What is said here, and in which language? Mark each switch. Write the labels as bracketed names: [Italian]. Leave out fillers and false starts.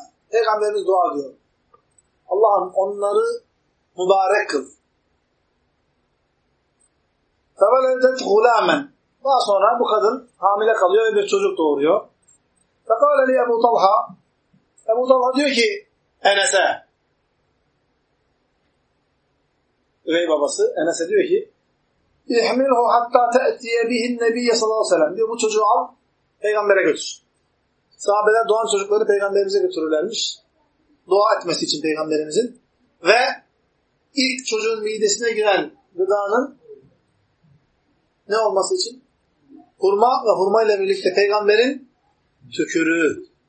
[Turkish] Peygamberimiz dua ediyor. Allah'ım onları mübarek kıl. [Arabic] فولدت غلاما. [Turkish] Daha sonra bu kadın hamile kalıyor ve bir çocuk doğuruyor. [Arabic] فقال لي أبو طلحة. [Turkish] أبو طلحة diyor ki Enes'e. Üvey babası Enes'e diyor ki [Arabic] احمله حتى تأتي به النبي صلى الله عليه وسلم. [Turkish] Diyor bu çocuğu al peygambere götür. Sahabeler doğan çocukları peygamberimize götürürlermiş. Dua etmesi için peygamberimizin. Ve ilk çocuğun midesine giren gıdanın ne olması için? Hurma ve hurmayla birlikte peygamberin tükürüğü.